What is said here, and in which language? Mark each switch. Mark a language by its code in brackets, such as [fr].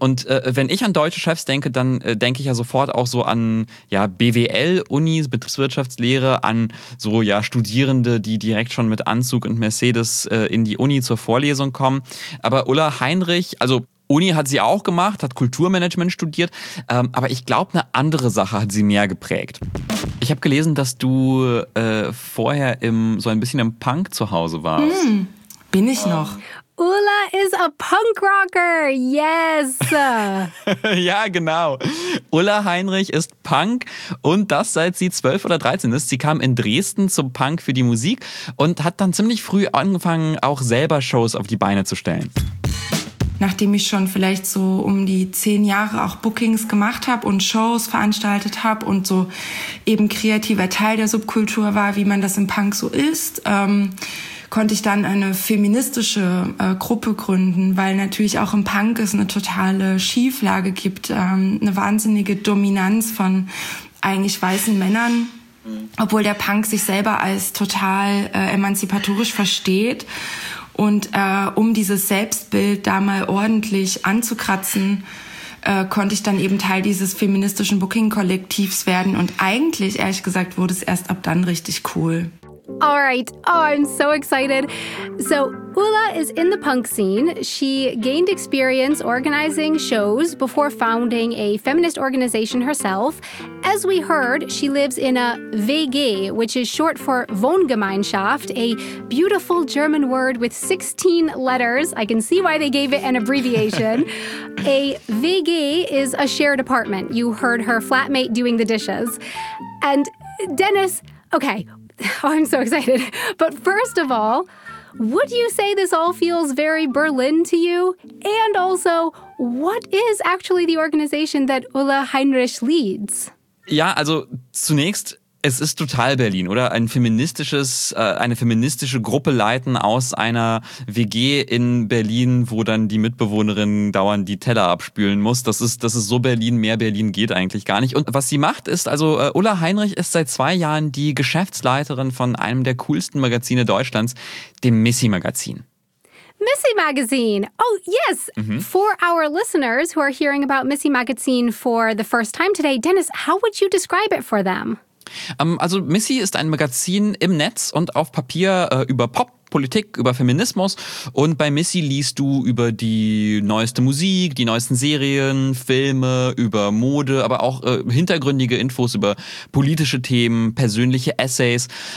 [de] Und wenn ich an deutsche Chefs denke, dann denke ich ja sofort auch so an ja BWL-Unis, Betriebswirtschaftslehre, an so ja Studierende, die direkt schon mit Anzug und Mercedes in die Uni zur Vorlesung kommen. Aber Ulla Heinrich, also Uni hat sie auch gemacht, hat Kulturmanagement studiert, aber ich glaube, eine andere Sache hat sie mehr geprägt. Ich habe gelesen, dass du vorher so ein bisschen im Punk zu Hause warst. Bin ich noch. [en] Ulla is a punk rocker, yes! [de] Ja, genau. Ulla Heinrich ist Punk und das seit sie 12 oder 13 ist. Sie kam in Dresden zum Punk für die Musik und hat dann ziemlich früh angefangen, auch selber Shows auf die Beine zu stellen. Nachdem ich schon vielleicht so um die 10 Jahre auch Bookings gemacht habe und Shows veranstaltet habe und so eben kreativer Teil der Subkultur war, wie man das im Punk so ist, konnte ich dann eine feministische Gruppe gründen, weil natürlich auch im Punk es eine totale Schieflage gibt, eine wahnsinnige Dominanz von eigentlich weißen Männern, obwohl der Punk sich selber als total emanzipatorisch versteht. Und um dieses Selbstbild da mal ordentlich anzukratzen, konnte ich dann eben Teil dieses feministischen Booking-Kollektivs werden. Und eigentlich, ehrlich gesagt, wurde es erst ab dann richtig cool. [en] All right. Oh, I'm so excited. So Ulla is in the punk scene. She gained experience organizing shows before founding a feminist organization herself. As we heard, she lives in a WG, which is short for Wohngemeinschaft, a beautiful German word with 16 letters. I can see why they gave it an abbreviation. A WG is a shared apartment. You heard her flatmate doing the dishes. And Dennis, okay, oh, I'm so excited. But first of all, would you say this all feels very Berlin to you? And also, what is actually the organization that Ulla Heinrich leads? [de] Ja, also zunächst, es ist total Berlin, oder? Eine feministische Gruppe leiten aus einer WG in Berlin, wo dann die Mitbewohnerin dauernd die Teller abspülen muss. Das ist so Berlin, mehr Berlin geht eigentlich gar nicht. Und was sie macht ist, also Ulla Heinrich ist seit 2 Jahren die Geschäftsleiterin von einem der coolsten Magazine Deutschlands, dem Missy-Magazin. [en] Missy Magazine. Oh, yes. Mm-hmm. For our listeners who are hearing about Missy Magazine for the first time today, Dennis, how would you describe it for them? [de] Also Missy ist ein Magazin im Netz und auf Papier über Pop, Politik, über Feminismus. Und bei Missy liest du über die neueste Musik, die neuesten Serien, Filme, über Mode, aber auch hintergründige Infos über politische Themen, persönliche Essays.